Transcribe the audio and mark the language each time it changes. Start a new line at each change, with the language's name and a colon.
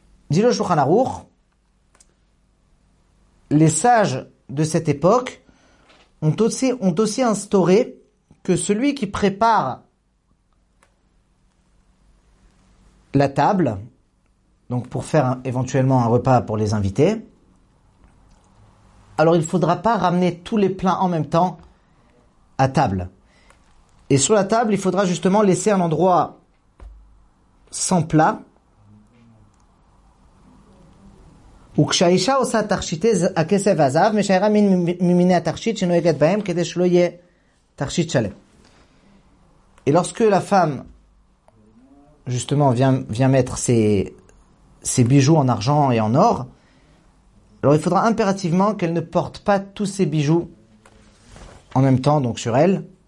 French: Dit le Shulchan Aruch, les sages de cette époque ont aussi instauré que celui qui prépare la table, donc pour faire éventuellement un repas pour les invités, alors il ne faudra pas ramener tous les plats en même temps à table. Et sur la table, il faudra justement laisser un endroit sans plat
Hebrew: וכשהאישה עושה תכשיט הכסף והזהב, משארה מין ממיני התכשיט שנוהגת בהם כדי שלא יהיה תכשיט שלם.
French: Et lorsque la femme, justement, vient mettre ses bijoux en argent et en or, alors il faudra impérativement qu'elle ne porte pas tous ses bijoux en même temps, donc sur elle.